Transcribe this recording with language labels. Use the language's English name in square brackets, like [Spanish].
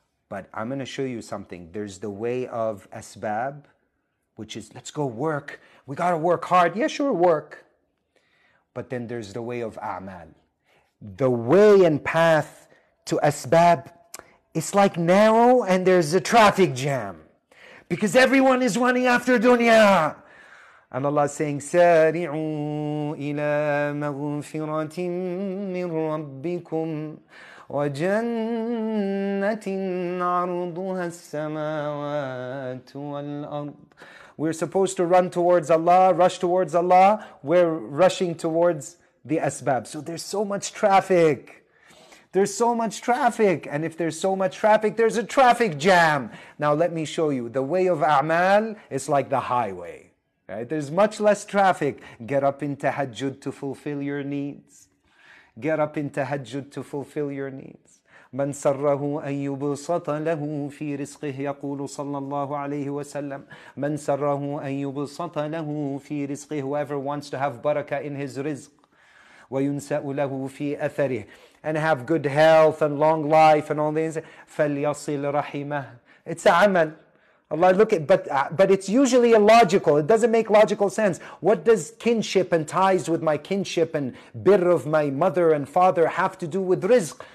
[English] But I'm going to show you something. There's the way of asbab, which is, let's go work. We got to work hard. Yeah, sure, work. But then there's the way of a'mal. The way and path to asbab, it's like narrow and there's a traffic jam. Because everyone is running after dunya. And Allah is saying, [Arabic] سَارِعُوا إِلَى مَغْفِرَةٍ مِّن رَبِّكُمْ وَجَنَّةٍ عَرْضُهَا السَّمَاوَاتُ وَالْأَرْضُ. [English] We're supposed to run towards Allah, rush towards Allah. We're rushing towards the asbab. So there's so much traffic. There's so much traffic. And if there's so much traffic, there's a traffic jam. Now let me show you. The way of a'mal is like the highway. Right? There's much less traffic. Get up in tahajjud to fulfill your needs. Get up in tahajjud to fulfill your needs. [Arabic] مَنْ سَرَّهُ أَنْ يُبْسَطَ لَهُ فِي رِزْقِهِ يَقُولُ صَلَّى اللَّهُ عَلَيْهِ وَسَلَّمُ مَنْ سَرَّهُ أَنْ يُبْسَطَ لَهُ فِي رِزْقِهِ [English] Whoever wants to have barakah in his rizq. [Arabic] وَيُنْسَأُ لَهُ فِي أَثَرِهِ [English] And have good health and long life and all these. [Arabic] فَلْيَصِلْ رَحِمَهُ [English] It's a amal. Allah, look at, but it's usually illogical. It doesn't make logical sense. What does kinship and ties with my kinship and birr of my mother and father have to do with rizq?